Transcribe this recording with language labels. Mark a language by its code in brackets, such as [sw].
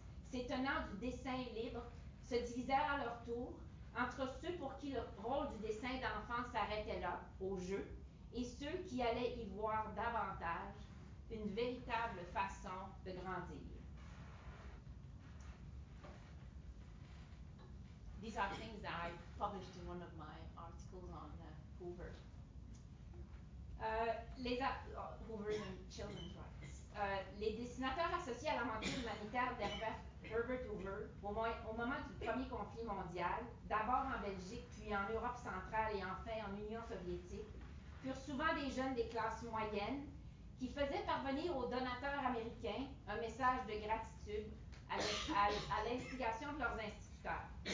[fr] Ces tenants du dessin libre se divisèrent à leur tour entre ceux pour qui le rôle du dessin d'enfant s'arrêtait là, au jeu, et ceux qui allaient y voir davantage une véritable façon de grandir. [en] These are things that I published in one of my articles on Hoover. Hoover and children's rights. [fr] Les dessinateurs associés à l'aventure humanitaire d'Herbert Hoover, au moment du premier conflit mondial, d'abord en Belgique, puis en Europe centrale et enfin en Union soviétique, furent souvent des jeunes des classes moyennes qui faisaient parvenir aux donateurs américains un message de gratitude à l'instigation de leurs instituteurs.